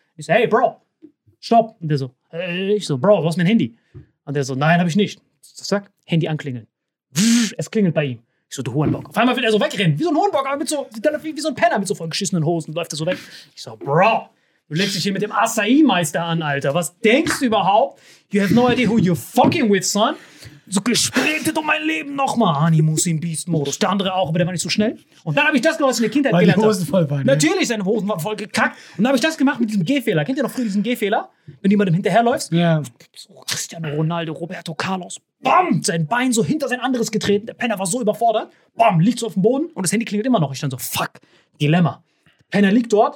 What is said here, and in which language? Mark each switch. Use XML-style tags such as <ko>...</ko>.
<de>Ich so, hey, Bro, stopp. Und der so, hey. Ich so, Bro, du hast mein Handy. Und der so, nein, hab ich nicht. Zack, Handy anklingeln. Es klingelt bei ihm. Ich so, du Hurenbock. Auf einmal will er so wegrennen. Wie so ein Hurenbock, aber wie so ein Penner mit so vollgeschissenen Hosen. Läuft er so weg. Ich so, Bro, du legst dich hier mit dem Acai-Meister an, Alter. Was denkst du überhaupt?</de> <en>You have no idea who you're fucking with, son.</en> <de>So gesprintet um mein Leben nochmal. Animus im Beast-Modus. Der andere auch, aber der war nicht so schnell. Und dann habe ich das gelöst in der Kindheit gelernt. Weil die Hosen voll waren. Ne? Natürlich, seine Hosen waren voll gekackt. Und dann habe ich das gemacht mit diesem Gehfehler. Kennt ihr noch früher diesen Gehfehler? Wenn du jemandem hinterherläufst? Ja. So Cristiano Ronaldo, Roberto Carlos. Bam! Sein Bein so hinter sein anderes getreten. Der Penner war so überfordert. Bam! Liegt so auf dem Boden. Und das Handy klingelt immer noch. Ich dann so, fuck. Dilemma. Der Penner liegt dort.</de>